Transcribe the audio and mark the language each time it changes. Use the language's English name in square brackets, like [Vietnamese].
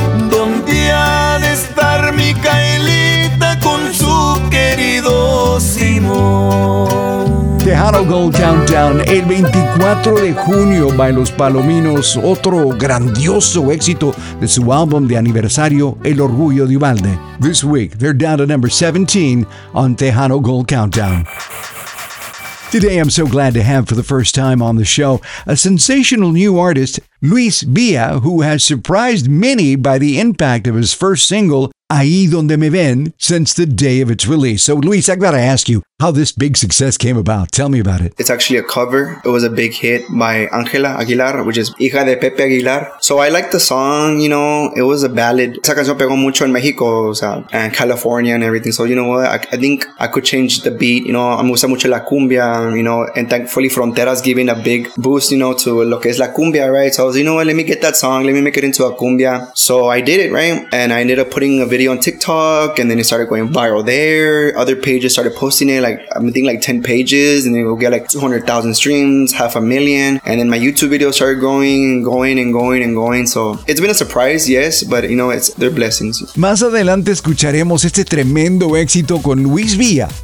[Spanish] ¿Dónde ha de estar mi Kailita con su querido Simón? Tejano Gold Countdown, el 24 de junio va en Los Palominos, otro grandioso éxito de su álbum de aniversario, El Orgullo de Ubalde. [English] This week, they're down to number 17 on Tejano Gold Countdown. Today, I'm so glad to have for the first time on the show a sensational new artist, Luis Villa, who has surprised many by the impact of his first single, Ahí Donde Me Ven, since the day of its release. So, Luis, I've got to ask you how this big success came about. Tell me about it. It's actually a cover. It was a big hit by Ángela Aguilar, which is [Spanish] hija de [English] Pepe Aguilar. So, I liked the song, you know. It was a ballad. [Spanish] Esa canción pegó mucho en México, o sea, [English] and California and everything. So, you know what? I think I could change the beat, you know. [Spanish] Me gusta mucho la cumbia, [English] you know. And thankfully, Fronteras giving a big boost, you know, to [Spanish] lo que es la cumbia, [English] right? So, I was, you know what? Let me get that song. Let me make it into a cumbia. So, I did it, right? And I ended up putting a video on TikTok, and then it started going viral there. Other pages started posting it, like I'm thinking like 10 pages, and then we'll get like 200,000 streams, 500,000, and then my YouTube videos started growing and going and going and going. So it's been a surprise, yes, but you know, it's their blessings. [Spanish] Más adelante escucharemos este tremendo éxito con Luis Villa.